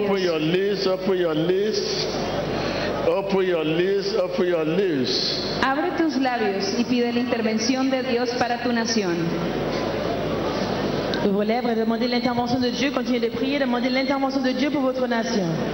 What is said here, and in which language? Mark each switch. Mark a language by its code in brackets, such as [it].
[en] Open your lips, open your lips. Open your lips, open your lips. [es] Abre tus labios y pide la intervención de Dios para tu nación. [fr] Ouvre les lèvres et demandez l'intervention de Dieu. Continuez de prier, demandez l'intervention de Dieu pour votre nation.